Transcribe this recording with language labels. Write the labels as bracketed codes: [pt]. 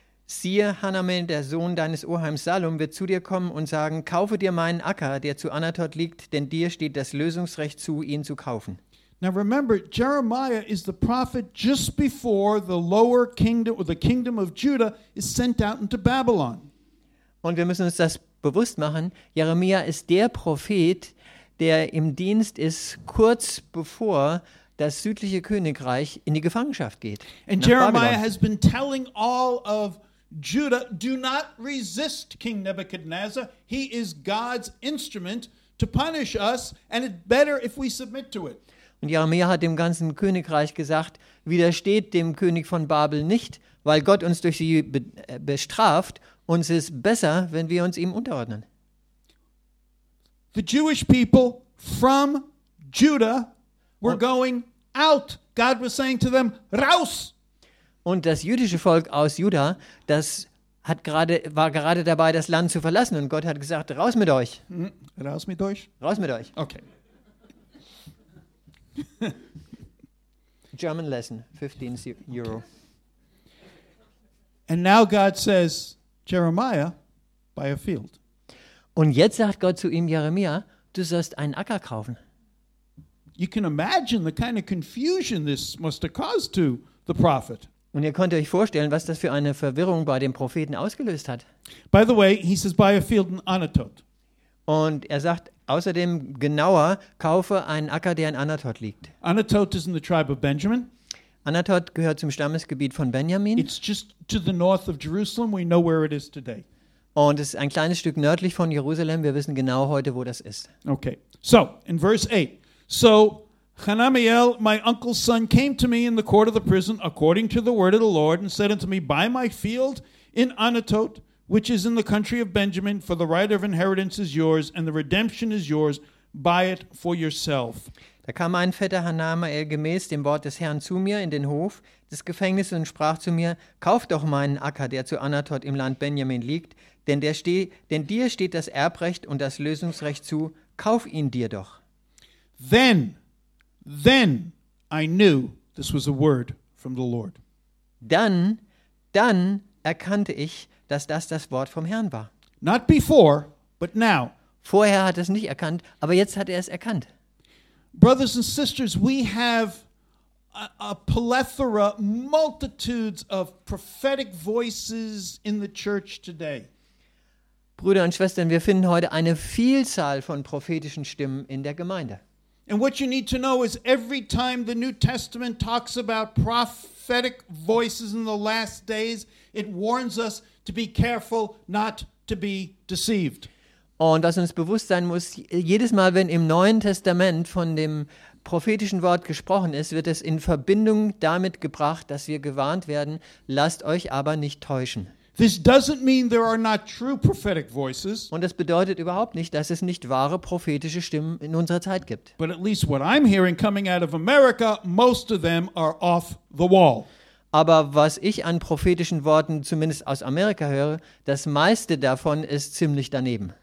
[de] Siehe, Hanamel, der Sohn deines Oheims Salom, wird zu dir kommen und sagen, kaufe dir meinen Acker, der zu Anatot liegt, denn dir steht das Lösungsrecht zu, ihn zu kaufen. [en] Now remember, Jeremiah is the prophet just before the lower kingdom, or the kingdom of Judah, is sent out into Babylon. [de] Und wir müssen uns das bewusst machen, Jeremia ist der Prophet, der im Dienst ist, kurz bevor das südliche Königreich in die Gefangenschaft geht. [en] And Jeremiah has been telling all of Judah, do not resist King Nebuchadnezzar. He is God's instrument to punish us, and it's better if we submit to it. [de] Und Jeremia hat dem ganzen Königreich gesagt, widersteht dem König von Babel nicht, weil Gott uns durch sie bestraft. Uns ist besser, wenn wir uns ihm unterordnen. [en] The Jewish people from Judah were going out. God was saying to them, raus! [de] Und das jüdische Volk aus Juda, das war gerade dabei, das Land zu verlassen. Und Gott hat gesagt, raus mit euch. Raus mit euch? Raus mit euch. [en] Okay. German lesson, 15 Euro. Okay. And now God says, Jeremiah, buy a field. [de] Und jetzt sagt Gott zu ihm, Jeremia, du sollst einen Acker kaufen. [en] You can imagine the kind of confusion this must have caused to the prophet. [de] Und ihr könnt euch vorstellen, was das für eine Verwirrung bei dem Propheten ausgelöst hat. [en] By the way, he says, buy a field in Anatot. [de] Und er sagt außerdem genauer, kaufe einen Acker, der in Anatot liegt. [en] Anatot is in the tribe of Benjamin. [de] Anatot gehört zum Stammesgebiet von Benjamin. [en] It's just to the north of Jerusalem. We know where it is today. [de] Und es ist ein kleines Stück nördlich von Jerusalem. Wir wissen genau heute, wo das ist. [en] Okay, so in verse 8. So Hanamiel, my uncle's son, came to me in the court of the prison, according to the word of the Lord, and said unto me, buy my field in Anatot, which is in the country of Benjamin, for the right of inheritance is yours, and the redemption is yours. Buy it for yourself. [de] Da kam mein Vetter Hanamiel gemäß dem Wort des Herrn zu mir in den Hof des Gefängnisses und sprach zu mir, kauf doch meinen Acker, der zu Anatot im Land Benjamin liegt, denn dir steht das Erbrecht und das Lösungsrecht zu, kauf ihn dir doch. [en] Then I knew this was a word from the Lord. [de] Dann erkannte ich, dass das Wort vom Herrn war. [en] Not before, but now. [de] Vorher hat er es nicht erkannt, aber jetzt hat er es erkannt. [en] Brothers and sisters, we have a plethora, multitudes of prophetic voices in the church today. [de] Brüder und Schwestern, wir finden heute eine Vielzahl von prophetischen Stimmen in der Gemeinde. [en] And what you need to know is every time the New Testament talks about prophetic voices in the last days, it warns us to be careful not to be deceived. [de] Und was uns bewusst sein muss, jedes Mal, wenn im Neuen Testament von dem prophetischen Wort gesprochen ist, wird es in Verbindung damit gebracht, dass wir gewarnt werden, lasst euch aber nicht täuschen. [en] This doesn't mean there are not true prophetic voices. [de] Und das bedeutet überhaupt nicht, dass es nicht wahre prophetische Stimmen in unserer Zeit gibt. [en] But at least what I'm hearing coming out of America, most of them are off the wall. [de] Aber was ich an prophetischen Worten zumindest aus Amerika höre, das meiste davon ist ziemlich daneben.